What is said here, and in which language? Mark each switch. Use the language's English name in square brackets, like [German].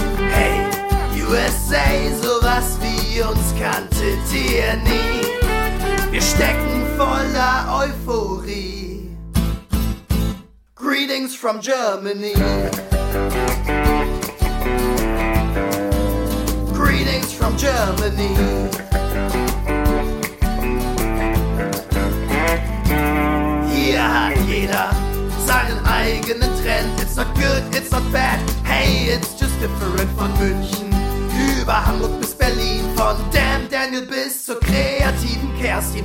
[German] Hey, USA, sowas wie uns kanntet ihr nie. Wir stecken voller Euphorie. [English] Greetings from Germany. Greetings from Germany. [German] Hier hat jeder seinen eigenen Trend. [English] It's not good, it's not bad. Hey, it's just different. [German] Von München über Hamburg bis Berlin. Von Damn Daniel bis zur kreativen Kerstin.